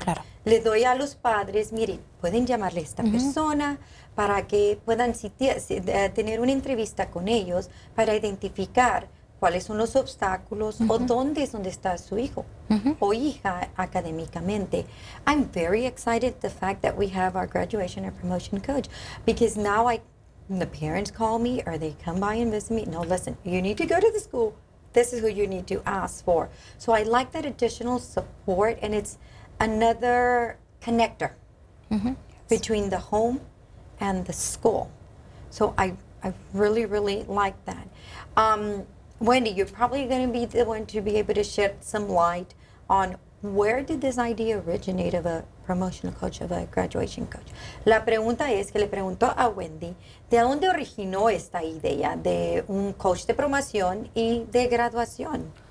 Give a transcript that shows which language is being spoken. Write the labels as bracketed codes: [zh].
[es] Claro. Le doy a los padres, miren, pueden llamarle a esta persona para que puedan tener una entrevista con ellos para identificar cuáles son los obstáculos o dónde es donde está su hijo o hija académicamente. [en] I'm very excited the fact that we have our graduation or promotion coach because now I, the parents call me or they come by and visit me. No, listen, you need to go to the school. This is who you need to ask for. So I like that additional support, and it's another connector between the home and the school. So I really, really like that. Wendy, you're probably going to be the one to be able to shed some light on where did this idea originate of a promotional coach, of a graduation coach. [es] La pregunta es que le preguntó a Wendy, ¿de dónde originó esta idea de un coach de promoción y de graduación?